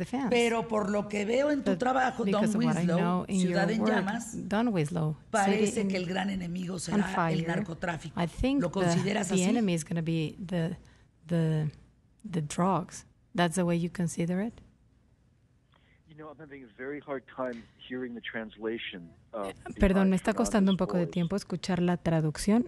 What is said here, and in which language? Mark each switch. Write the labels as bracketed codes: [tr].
[es] Pero por lo que veo en tu trabajo, Don Winslow, Ciudad en Llamas, Don Winslow, parece que el gran enemigo será el narcotráfico. ¿Lo consideras así? [en] The enemy is going to be the drugs. That's the way you consider it? You know, I'm having a very hard time hearing the translation. [es] Perdón, me está costando un poco de tiempo escuchar la traducción.